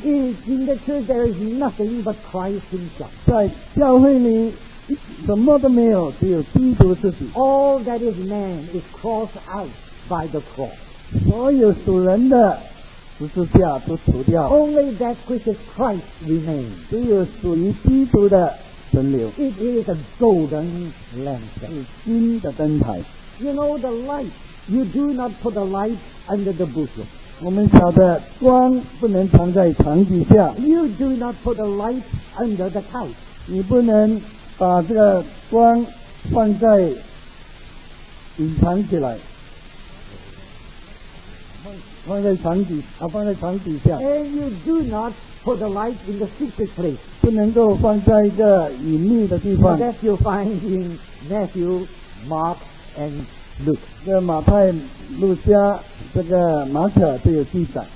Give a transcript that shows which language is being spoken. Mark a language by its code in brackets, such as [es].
[en] In the church there is nothing but Christ himself. [zh] 在教会里什么都没有只有基督自己 [en] All that is man is crossed out by the cross. [zh] 所有属人的十字架都除掉 [en] Only that which is Christ remains. [zh] 只有属于基督的存留 [en] It is a golden lantern. [zh] 是金的灯台 [en] You know the light. You do not put the light under the bushel. [zh] 我们晓得光不能藏在床底下。 [en] You do not put the light under the couch. [zh] 你不能把这个光放在隐藏起来。放在床底下。 [en] And you do not put the light in the secret place. [zh] 不能够放在一个隐秘的地方。 [en] That you find in Matthew, Mark, and Luke. [zh] 这马太、路加、这个马可都有记载。